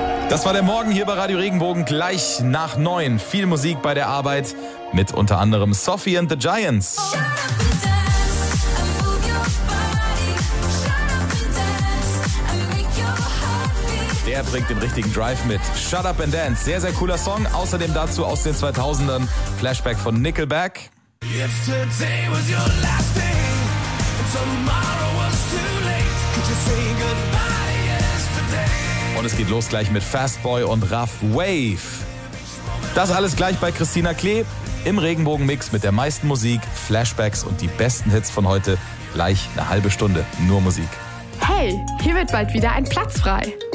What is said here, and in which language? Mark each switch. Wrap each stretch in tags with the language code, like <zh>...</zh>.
<de>Das war der Morgen hier bei Radio Regenbogen, gleich nach 9. Viel Musik bei der Arbeit mit unter anderem Sophie and the Giants. Der bringt den richtigen Drive mit. Shut Up and Dance, sehr, sehr cooler Song. Außerdem dazu aus den 2000ern, Flashback von Nickelback.</de> <en>Yesterday was your last day, tomorrow was too late. Could you say goodbye?</en> <de>Und es geht los gleich mit Fastboy und Rough Wave. Das alles gleich bei Christina Klee im Regenbogenmix mit der meisten Musik, Flashbacks und die besten Hits von heute. Gleich eine halbe Stunde nur Musik. Hey, hier wird bald wieder ein Platz frei.</de>